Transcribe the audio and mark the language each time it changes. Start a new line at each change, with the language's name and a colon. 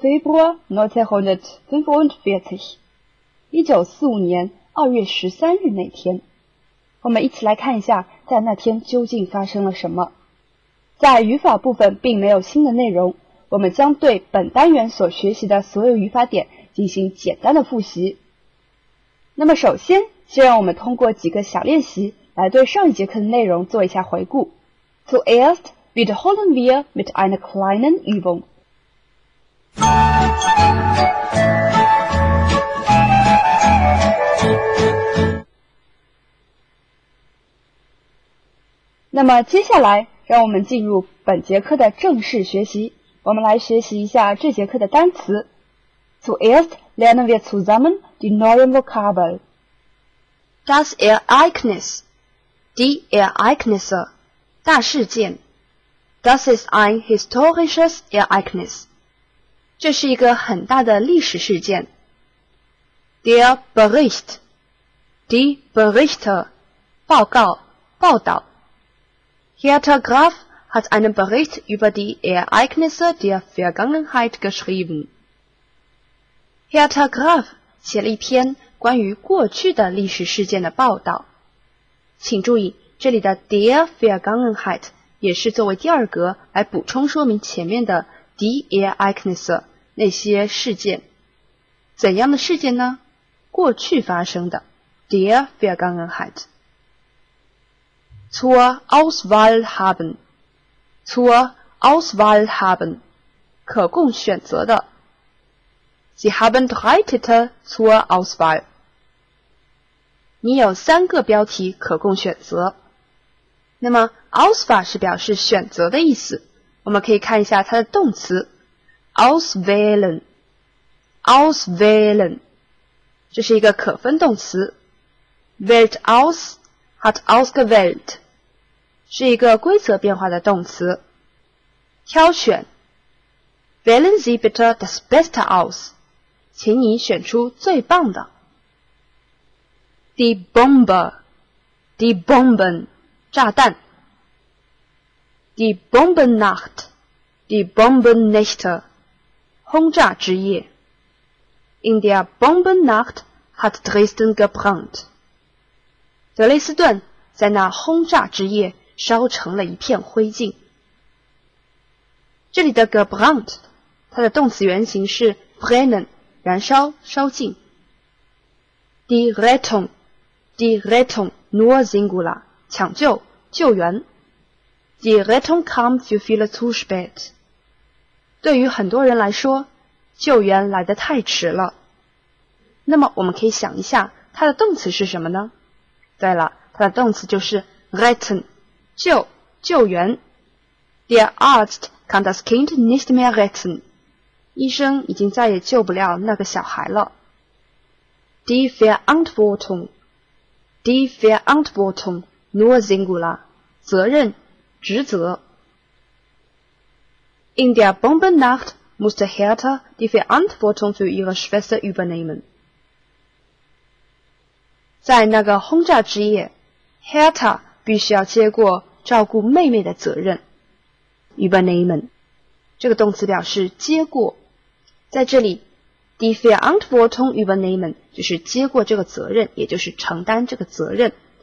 German: Februar 1945
Chinese: 年2月13日那天，我们一起来看一下在那天究竟发生了什么。在语法部分并没有新的内容，我们将对本单元所学习的所有语法点进行简单的复习。那么首先，就让我们通过几个小练习来对上一节课的内容做一下回顾。
German: Zuerst wiederholen wir mit einer kleinen Übung.
Chinese: 那么接下来，让我们进入本节课的正式学习。我们来学习一下这节课的单词。
German: Zuerst lernen wir zusammen die neuen Vokabel. Das Ereignis. Die Ereignisse.
Chinese: 大事件
German: Das ist ein historisches Ereignis.
Chinese: 这是一个很大的历史事件。
German: Der Bericht. Die Berichte.
Chinese: 报告报道。
German: Hertha Graf hat einen Bericht über die Ereignisse der Vergangenheit geschrieben.
Chinese: Hertha Graf 写了一篇关于过去的历史事件的报道。请注意这里的
German: der Vergangenheit
Chinese: 也是作为第二格来补充说明前面的
German: die Ereignisse
Chinese: 那些事件。怎样的事件呢？过去发生的
German: der Vergangenheit。 Zur Auswahl haben. Zur Auswahl haben.
Chinese: 可供选择的。
German: Sie haben drei Titel zur Auswahl.
Chinese: 你有三个标题可供选择。那么 Auswahl 是表示选择的意思，我们可以看一下它的动词 Auswählen。
German: Auswählen
Chinese: 这是一个可分动词。
German: Wählt aus hat ausgewählt
Chinese: 是一个规则变化的动词。挑选
German: Wählen Sie bitte das Beste aus，
Chinese: 请你选出最棒的。
German: Die Bombe。 Die Bomben
Chinese: 炸弹。
German: Die Bombennacht, die Bombennächte,
Chinese: 轰炸之夜。
German: In der Bombennacht hat Dresden gebrannt.
Chinese: 德累斯顿在那轰炸之夜烧成了一片灰烬。这里的 gebrannt, 它的动词原形是 brennen, 燃烧烧尽。
German: Die Rettung, die Rettung nur singular,
Chinese: 抢救。救援
German: Die Rettung kam für viele zu spät.
Chinese: 对于很多人来说，救援来得太迟了。那么我们可以想一下，它的动词是什么呢？对了，它的动词就是 retten， 救，救援。
German: Der Arzt kann das Kind nicht mehr retten.
Chinese: 医生已经再也救不了那个小孩了。
German: Die Verantwortung. Die Verantwortung. Nur singular,
Chinese: 责任职责。
German: In der Bombennacht musste Hertha die Verantwortung für ihre Schwester übernehmen.
Chinese: 在那个轰炸之夜， Hertha 必须要接过照顾妹妹的责任。
German: Übernehmen,
Chinese: 这个动词表示接过。在这里，
German: die Verantwortung übernehmen,
Chinese: 就是接过这个责任，也就是承担这个责任。